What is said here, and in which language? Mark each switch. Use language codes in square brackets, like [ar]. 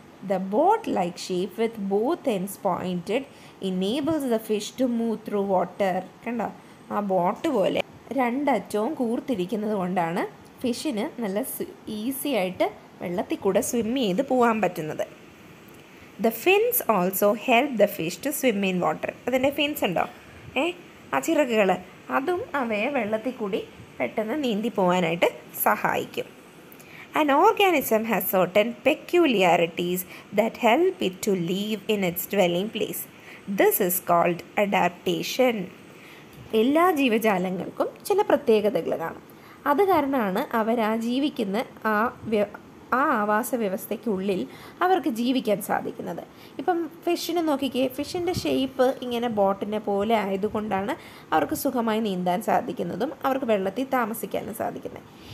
[en] The boat like shape with both ends pointed enables the fish to move through water. [ml] കണ്ടോ, ആ boat പോലെ രണ്ടറ്റവും കൂർത്തിരിക്കുന്നത് കൊണ്ടാണ് ഫിഷിന് നല്ല ഈസി ആയിട്ട് വെള്ളത്തിൽ കൂടെ സ്വിമ്മ് ചെയ്ത് പോകാൻ പറ്റുന്നത്. [en] The fins also help the fish to swim in water. [ml] അതിൻ്റെ ഫിൻസ് ഉണ്ടോ? ഏ, ആ ചിറകുകൾ, അതും അവയെ വെള്ളത്തിൽ കൂടി പെട്ടെന്ന് നീന്തി പോകാനായിട്ട് സഹായിക്കും. [en] An organism has certain peculiarities that help it to live in its dwelling place. This is called adaptation. [ml] എല്ലാ ജീവജാലങ്ങൾക്കും ചില പ്രത്യേകതകൾ കാണും. അത് കാരണമാണ് അവരാ ജീവിക്കുന്ന ആ ആവാസ വ്യവസ്ഥയ്ക്കുള്ളിൽ അവർക്ക് ജീവിക്കാൻ സാധിക്കുന്നത്. ഇപ്പം ഫിഷിനെ നോക്കിക്കേ, ഫിഷിൻ്റെ ഷേപ്പ് ഇങ്ങനെ ബോട്ടിനെ പോലെ ആയതുകൊണ്ടാണ് അവർക്ക് സുഖമായി നീന്താൻ സാധിക്കുന്നതും അവർക്ക് വെള്ളത്തിൽ താമസിക്കാനും സാധിക്കുന്നത്.